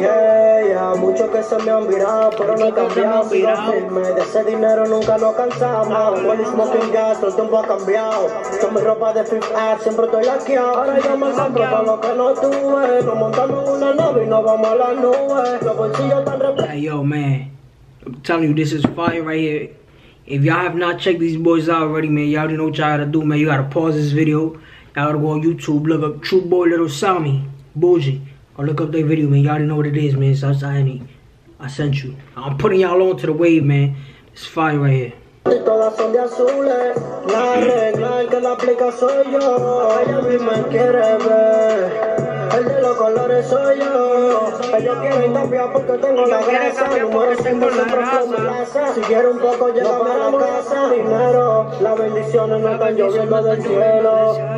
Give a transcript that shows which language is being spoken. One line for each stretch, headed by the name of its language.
Spanish: Yeah, muchos que se me han virado, pero no he cambiado. Sigo firme, de ese dinero nunca nos cansamos.
English: Well, smoking gas,
Spanish: todo el tiempo ha cambiado. Con mi ropa de Fifth Air, siempre estoy aquí. Ahora ya me compro para lo que no tuve. Nos montamos una nave y nos vamos a la nube. Los bolsillos están repletos.
English: Hey, yo, man. I'm telling you, this is fire right here. If y'all have not checked these boys out already, man, y'all already know what y'all gotta do, man. You gotta pause this video. Y'all gotta go on YouTube, look up True Boy Little Sammy, Bougie. Or look up their video, man. Y'all already know what it is, man. Southside Henny. I sent you. I'm putting y'all on to the wave, man. It's fire right here.
Spanish: Todas son de azules, la regla el que la aplica soy yo. Ella misma quiere ver, el de los colores soy yo. Ellos quieren cambiar porque tengo la grasa. Yo muero siempre con la grasa. Si quiero un poco llego a la casa. Dinero, las bendiciones no están lloviendo del cielo.